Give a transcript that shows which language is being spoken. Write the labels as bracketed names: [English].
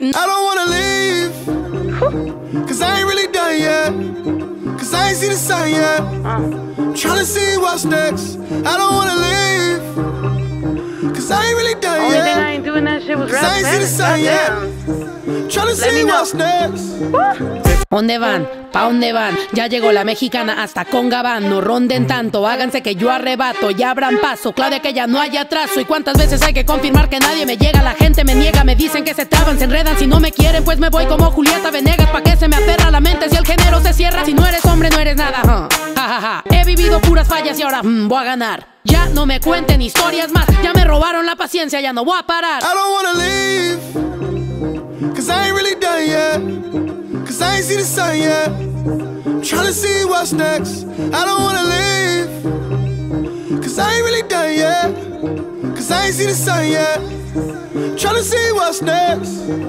[English] I don't wanna leave, 'cause I ain't really done yet. 'Cause I ain't seen the sun yet. I'm tryna see what's next. I don't wanna leave, 'cause I ain't really done only yet. Only thing I ain't doing that shit was rap. 'Cause I ain't seen the sun yet. Tryna see what's next. [Spanish] ¿Dónde van? ¿Pa dónde van? Ya llegó la mexicana hasta con Gabán. No ronden tanto, háganse que yo arrebato. Ya abran paso, clave que ya no haya atraso. ¿Y cuántas veces hay que confirmar que nadie me llega? La gente me niega, me dicen que se traban, se enredan. Si no me quieren, pues me voy como Julieta Venegas. ¿Pa' qué se me aferra la mente si el género se cierra? Si no eres hombre, no eres nada. He vivido puras fallas y ahora voy a ganar. Ya no me cuenten historias más. Ya me robaron la paciencia, ya no voy a parar. [English] I don't wanna leave, 'cause I ain't really done yet. 'Cause I ain't seen the sun yet. I'm tryna see what's next. I don't wanna leave, 'cause I ain't really done yet. 'Cause I ain't seen the sun yet. I'm tryna see what's next.